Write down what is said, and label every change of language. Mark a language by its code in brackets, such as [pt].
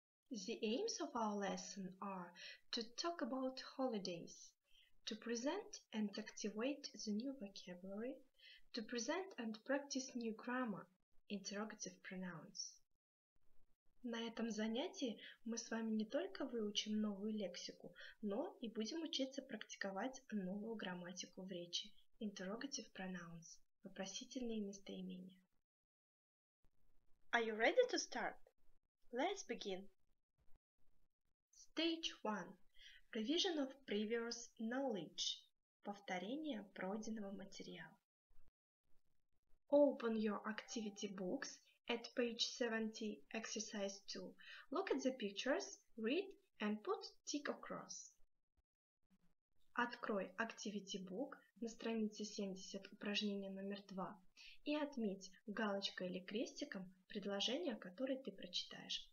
[en] The aims of our lesson are to talk about holidays, to present and activate the new vocabulary, to present and practice new grammar, interrogative pronouns. [ru] На этом занятии мы с вами не только выучим новую лексику, но и будем учиться практиковать новую грамматику в речи – [en] interrogative pronouns [ru] – вопросительные местоимения. [en] Are you ready to start? Let's begin! Stage 1 – Revision of previous knowledge – [ru] повторение пройденного материала. [en] Open your activity books at page 70, exercise 2. Look at the pictures, read and put tick across. [ru] Открой activity book на странице 70, упражнение номер 2, и отметь галочкой или крестиком предложение, которое ты прочитаешь.